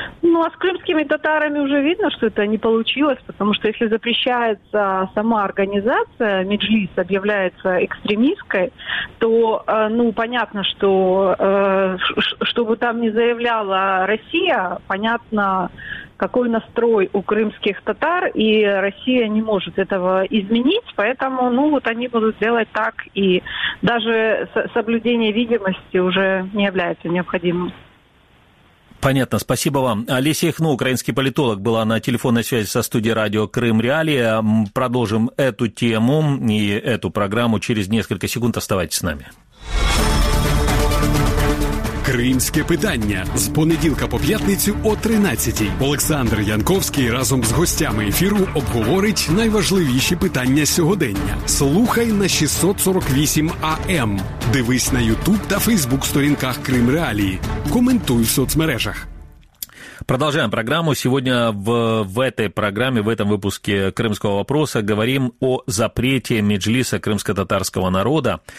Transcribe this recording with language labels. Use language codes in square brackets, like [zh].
[ru] Ну, а с крымскими татарами уже видно, что это не получилось, потому что если запрещается сама организация, Меджлис объявляется экстремистской, то, ну, понятно, что что бы там ни заявляла Россия, понятно, какой настрой у крымских татар, и Россия не может этого изменить, поэтому, ну, вот они будут делать так, и даже соблюдение видимости уже не является необходимым. Понятно, спасибо вам. Олеся Яхно, украинский политолог, была на телефонной связи со студией радио «Крым Реалия». Продолжим эту тему и эту программу через несколько секунд. Оставайтесь с нами. [uk] Кримське питання з понеділка по п'ятницю о 13:00. Олександр Янковський разом з гостями ефіру обговорить найважливіші питання сьогодення. Слухай на 648 АМ. Дивись на YouTube та Facebook сторінках Крим Реалії. Коментуй в соцмережах. [ru] Продолжаем программу. Сегодня в этой программе, в этом выпуске «Крымского вопроса» говорим о запрете Меджлиса крымско-татарского народа.